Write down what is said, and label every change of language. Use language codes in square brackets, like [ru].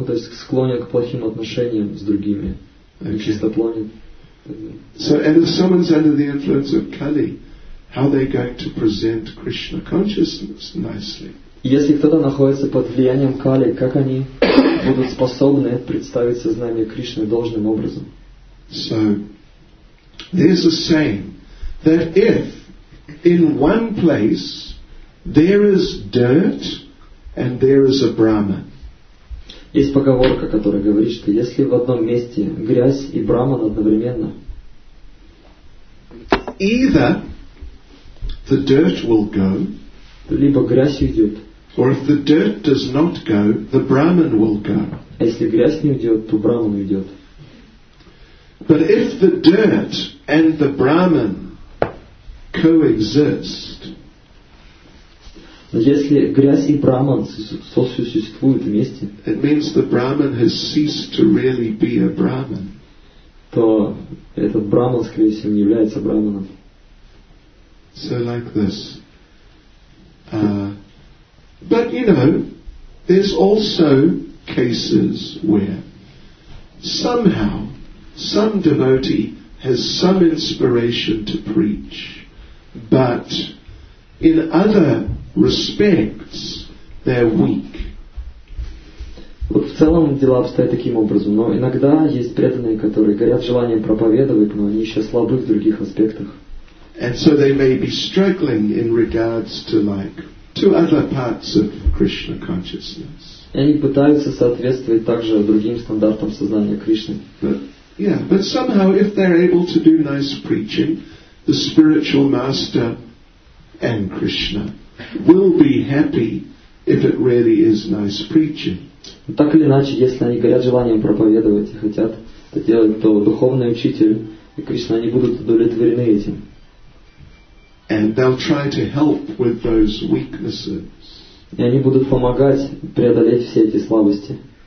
[ru] Склонен к плохим отношениям с другими. Okay. Нечистоплотен. [en] So, and if someone's under the influence of Kali, how they going to present Krishna consciousness nicely. [ru] Если кто-то находится под влиянием кали, как они будут способны представить сознание Кришны должным образом? [en] So there's a saying that if in one place there is dirt and there is a Brahman. [ru] Есть поговорка, которая говорит, что если в одном месте грязь и Брахман одновременно, [en] either the dirt will go, [ru] либо грязь уйдет. [en] Or if the dirt does not go, the Brahman will go. [ru] Если грязь не уйдет, то Брахман уйдет. [en] But if the dirt and the Brahman coexist, [ru] если грязь и Брахман сосуществуют вместе, [en] it means the Brahman has ceased to really be a Brahman. [ru] То этот Брахман, скорее всего, не является Брахманом. [en] So like this. But you know, there's also cases where somehow some devotee has some inspiration to preach, but in other respects they're weak. [ru] Вот в целом дела обстоят таким образом, но иногда есть преданные, которые горят желанием проповедовать, но они еще слабы в других аспектах. [en] And so they may be struggling in regards to like to other parts of Krishna consciousness. [ru] Они пытаются соответствовать также другим стандартам сознания Кришны. [en] But somehow if they're able to do nice preaching, the spiritual master and Krishna will be happy if it really is nice preaching. [ru] Так или иначе, если они горят желанием проповедовать и хотят это делать, то духовный учитель и Кришна, они будут удовлетворены этим. [en] And they'll try to help with those weaknesses. [ru] И они будут помогать преодолеть все эти слабости.